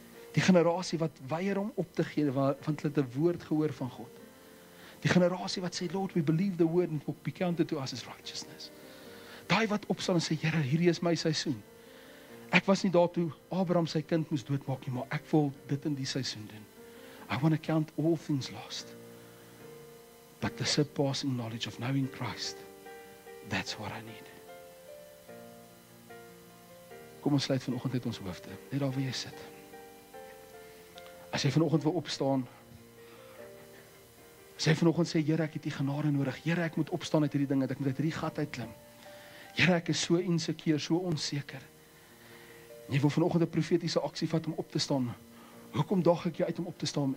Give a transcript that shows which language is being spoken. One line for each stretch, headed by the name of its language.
Afrikaans: Die generatie wat weier om op te gee, want hulle het een woord gehoor van God. Die generatie wat sê,
English: Lord, we believe the word and will be counted to us as righteousness.
Afrikaans: Die wat opstaan en sê, Here, hier is my seisoen. Ek was nie daartoe, Abraham sy kind moes doodmaak nie, maar ek wil dit in die seisoen doen.
English: I want to count all things lost. But the surpassing knowledge of knowing Christ, that's what I need.
Afrikaans: Kom, ons sluit vanochtend net ons hoofde, net al waar jy sit. As jy vanochtend wil opstaan, as jy vanochtend sê, Here, ek het die genade nodig, Here, ek moet opstaan uit die dinge, ek moet uit die gat uitklim, Here, ek is so insecure, so onzeker, en jy wil vanochtend een profetiese actie vat om op te staan, hoekom daag ek jou uit om op te staan?